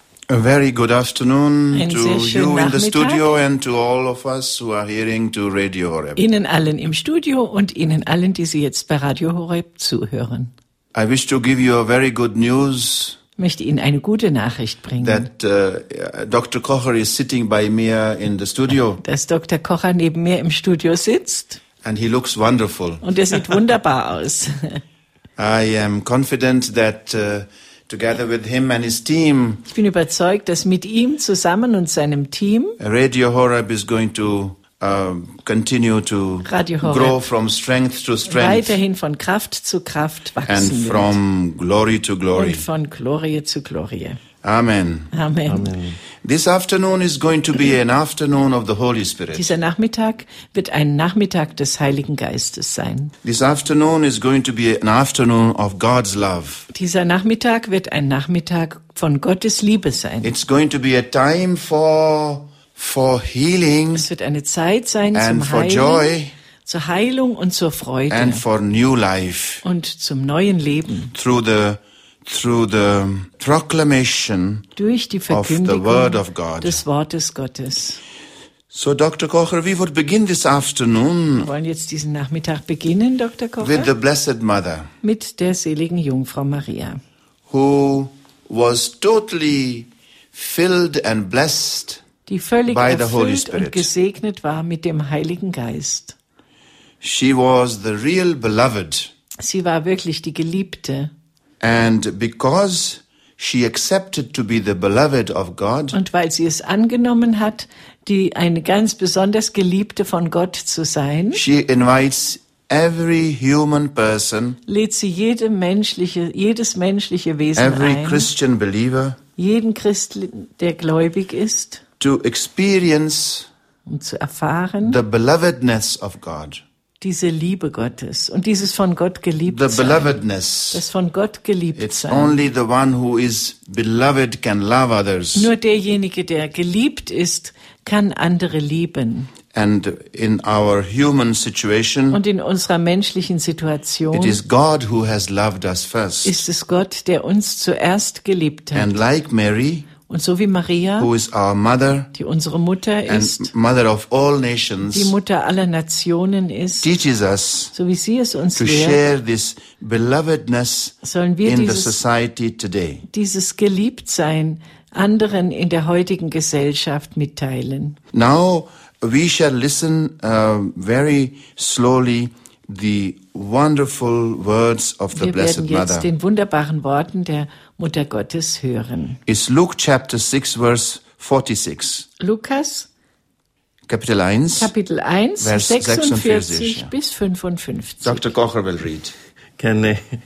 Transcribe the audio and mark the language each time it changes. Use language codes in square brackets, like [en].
[en] A very good afternoon to you in the studio and to all of us who are hearing to Radio Horeb. [de] Ihnen allen im Studio und Ihnen allen, die Sie jetzt bei Radio Horeb zuhören. [en] I wish to give you a very good news. [de] Ich möchte Ihnen eine gute Nachricht bringen. [en] That Dr. Kocher is sitting by me in the studio. [de] Dass Dr. Kocher neben mir im Studio sitzt. [en] And he looks wonderful. [de] Und er sieht wunderbar aus. [en] I am confident that together with him and his team. [de] Ich bin überzeugt, dass mit ihm zusammen und seinem Team [en] Radio Horeb is going to continue to grow from strength to strength. [de] Weiterhin von Kraft zu Kraft wachsen [en] and [de] wird. [en] From glory to glory. [de] Und von Glorie zu Glorie. [en] Amen. [de] Amen. Amen. [en] This afternoon is going to be an afternoon of the Holy Spirit. [de] Dieser Nachmittag wird ein Nachmittag des Heiligen Geistes sein. [en] This afternoon is going to be an afternoon of God's love. [de] Dieser Nachmittag wird ein Nachmittag von Gottes Liebe sein. [en] It's going to be a time for healing. [de] Es wird eine Zeit sein [en] and [de] zum [en] for [de] Heilen. [en] Joy. [de] Zur Heilung und zur Freude. [en] And for new life. [de] Und zum neuen Leben. [en] Through the proclamation [de] durch die Verkündigung [en] of the word of God. [de] Des Wortes Gottes. [en] So, Dr. Kocher, we would begin this afternoon. [de] Wir wollen jetzt diesen Nachmittag beginnen, Dr. Kocher. [en] With the Blessed Mother. [de] Mit der seligen Jungfrau Maria. [en] Who was totally filled and blessed. [de] Die völlig [en] by [de] erfüllt und gesegnet war mit dem Heiligen Geist. [en] She was the real beloved. [de] Sie war wirklich die Geliebte. [en] And because she accepted to be the beloved of God, [de] und weil sie es angenommen hat, die eine ganz besonders Geliebte von Gott zu sein, [en] she invites every human person, [de] lädt sie jedes menschliche Wesen [en] every [de] ein, [en] Christian believer, [de] jeden Christen, der gläubig ist, [en] to experience [de] um zu erfahren, [en] the belovedness of God. [de] Diese Liebe Gottes und dieses von Gott geliebt [en] the belovedness. [de] Sein, das von Gott geliebt [en] it's [de] sein. [en] Only the one who is beloved can love others. [de] Nur derjenige, der geliebt ist, kann andere lieben. [en] And in our human situation, [de] und in unserer menschlichen Situation, [en] it is God who has loved us first. [de] Ist es Gott, der uns zuerst geliebt hat. [en] And like Mary, [de] und so wie Maria, [en] who is our mother, [de] die unsere Mutter ist, [en] and mother of all nations, [de] die Mutter aller Nationen ist, [en] teaches us, [de] so wie sie es uns [en] to [de] lehrt, [en] share this belovedness [de] sollen wir [en] in [de] dieses, [en] the society today. [de] Dieses Geliebtsein anderen in der heutigen Gesellschaft mitteilen. [en] Now we shall listen very slowly the wonderful words of the [de] wir [en] Blessed Mother. [de] Wir werden jetzt den wunderbaren Worten der Mutter Gottes hören. [en] Is Luke chapter 6 verse 46. [de] Lukas Kapitel 1. Kapitel 1 vers 46 bis 55. [en] Dr. Kocher will read. [de] Gerne.